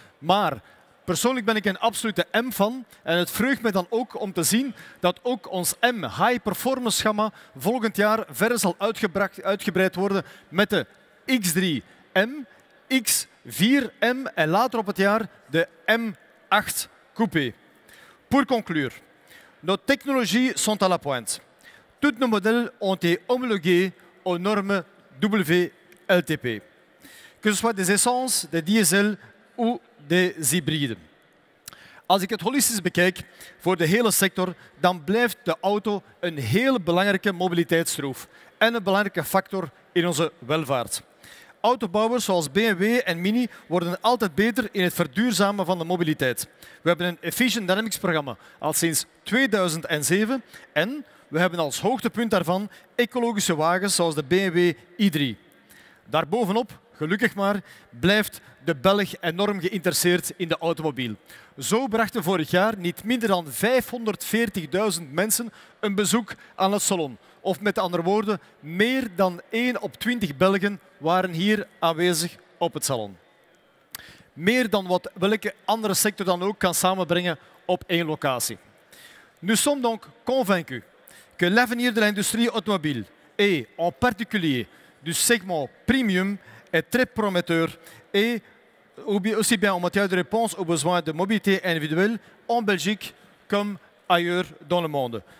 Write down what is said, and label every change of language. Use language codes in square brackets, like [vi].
[nl] Maar persoonlijk ben ik een absolute M-fan en het vreugt me dan ook om te zien dat ook ons M High Performance Gamma volgend jaar verder zal uitgebreid worden met de X3M, X4M en later op het jaar de M8 Coupé. [fr] Pour conclure, nos technologies sont à la pointe. Toutes nos modèles ont été homologués aux normes WLTP. Que ce soit des essences, des diesel ou des hybrides. [nl] als ik het holistisch bekijk voor de hele sector, dan blijft de auto een heel belangrijke mobiliteitsschroef en een belangrijke factor in onze welvaart. Autobouwers zoals BMW en Mini worden altijd beter in het verduurzamen van de mobiliteit. We hebben een Efficient Dynamics programma al sinds 2007 en we hebben als hoogtepunt daarvan ecologische wagens zoals de BMW i3. Daarbovenop, gelukkig maar, blijft de Belg enorm geïnteresseerd in de automobiel. Zo brachten vorig jaar niet minder dan 540.000 mensen een bezoek aan het salon. Of met andere woorden, meer dan 1 op 20 Belgen waren hier aanwezig op het salon. Meer dan wat welke andere sector dan ook kan samenbrengen op één locatie. [fr] Nous sommes donc convaincus que l'avenir de l'industrie automobile et en particulier du segment premium est très prometteur et aussi bien en matière de réponse aux besoins de mobilité individuelle en Belgique comme ailleurs dans le monde.